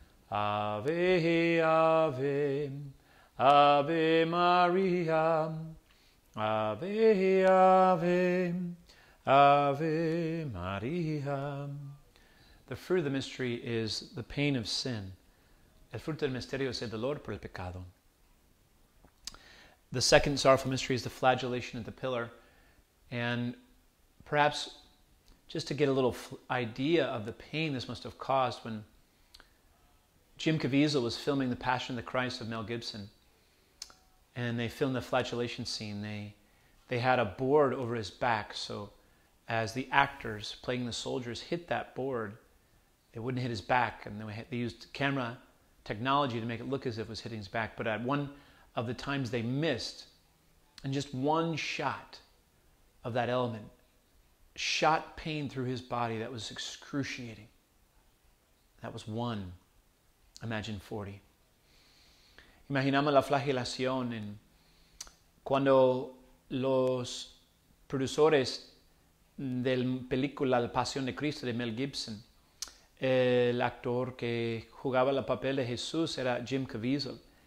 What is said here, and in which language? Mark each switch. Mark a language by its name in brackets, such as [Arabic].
[Latin] Ave, Ave, Ave Maria, Ave, Ave, Ave Maria. [English] The fruit of the mystery is the pain of sin. [Spanish] El fruto del misterio es el dolor por el pecado. [English] The second sorrowful mystery is the flagellation of the pillar. And perhaps just to get a little idea of the pain this must have caused, when Jim Caviezel was filming The Passion of the Christ of Mel Gibson, and they filmed the flagellation scene, they had a board over his back so as the actors playing the soldiers hit that board, it wouldn't hit his back. And they used camera technology to make it look as if it was hitting his back. But at one of the times they missed, and just one shot of that element shot pain through his body that was excruciating. That was one. Imagine 40. [Spanish] Imaginamos la flagelación en cuando los productores de la película La Pasión de Cristo de Mel Gibson, el actor que jugaba el papel de Jesús era Jim Caviezel.